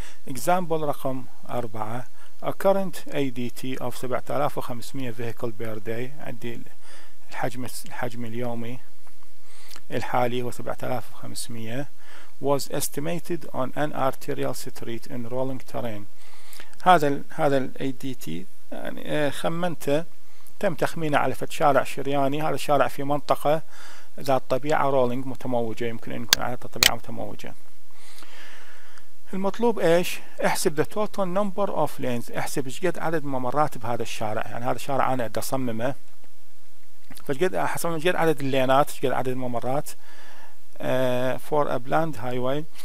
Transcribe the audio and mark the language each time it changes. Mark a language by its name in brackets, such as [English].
[Arabic] Example رقم 4. [English] A current ADT of 7500 vehicle per day، [Arabic] عندي الحجم اليومي الحالي هو 7500، [English] was estimated on an arterial street in rolling terrain. [Arabic] هذا الـ ADT يعني خمنته، تم تخمينه على فد شارع شرياني، هذا الشارع في منطقة ذات طبيعة رولينج متموجة، يمكن أن يكون على طبيعة متموجة. المطلوب إيش؟ احسب [English] the total number of lanes، [Arabic] احسب شقد عدد ممرات بهذا الشارع، يعني هذا الشارع أنا أدى صممه، فشقد أحسب شقد عدد اللينات، شقد عدد الممرات [English] for a bland highway.